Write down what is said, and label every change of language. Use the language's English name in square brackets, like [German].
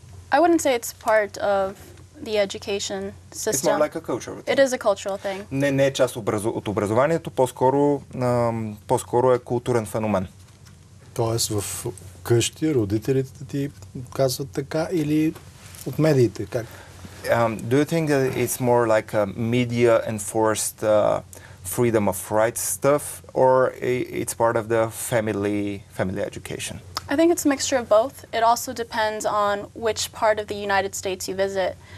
[English] I wouldn't say it's part of the education system. It's more like a cultural thing. It is a cultural thing. [Bulgarian] Не е част от образованието, по-скоро е културен феномен. Тоест в къщи родителите ти казват така или от медиите, как? [English] Do you think that it's more like a media enforced freedom of rights stuff, or it's part of the family education? I think it's a mixture of both. It also depends on which part of the United States you visit.